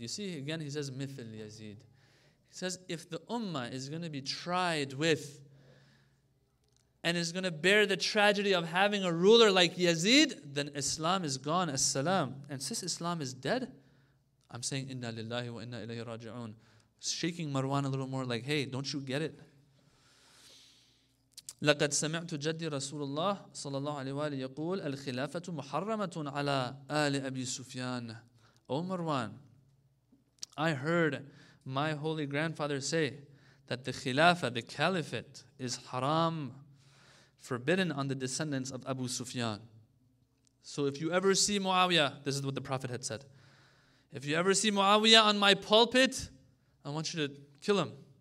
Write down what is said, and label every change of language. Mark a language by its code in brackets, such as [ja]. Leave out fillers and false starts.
[en] You see, again, he says مِثْلْ يَزِيدٍ. He says, if the ummah is going to be tried with and is going to bear the tragedy of having a ruler like Yazid, then Islam is gone. As-salam. And since Islam is dead, I'm saying إِنَّا لِلَّهِ وَإِنَّا إِلَيْهِ رَاجِعُونَ. Shaking Marwan a little more, like, hey, don't you get it? [ar] لقد سمعت جدي رسول الله صلى الله عليه وآله يقول الخلافة محرمة على آل أبي سفيان. [en] Oh Marwan, I heard my holy grandfather say that the khilafah, the caliphate, is haram, forbidden on the descendants of Abu Sufyan. So if you ever see Muawiyah, this is what the Prophet had said, if you ever see Muawiyah on my pulpit, I want you to kill him.